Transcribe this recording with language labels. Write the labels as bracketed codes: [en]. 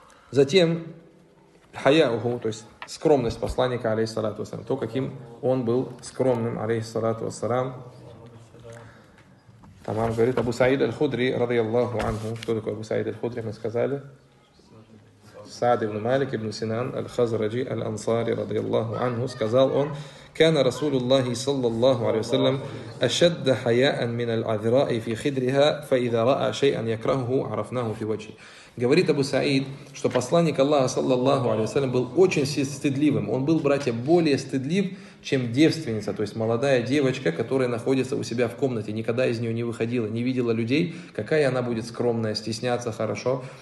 [ru] Затем, хаяуху, то есть, скромность посланника, алейхиссалату вассалям. То, каким он был скромным, алейхиссалату вассалям. Тамам, говорит, Абу Саид аль-Худри, радиаллаху анху. Кто такой Абу Саид аль-Худри, мы сказали? Саад ибн Малик ибн Синан аль-Хазраджи аль-Ансари, радиаллаху анху. Сказал он, [ar] كان رسول الله صلى الله عليه وسلم أشد حياء من العذراء في خدرها فإذا رأى شيئا يكرهه عرفناه في وجهه. [ru] Говорит Абу Саид, что посланник Аллаха, саллаллаху алейхи ва саллям, был очень стыдливым. Он был, братья, более стыдлив, чем девственница, то есть молодая девочка, которая находится у себя в комнате, никогда из нее не выходила, не видела людей, какая она будет скромная, стесняться хорошо.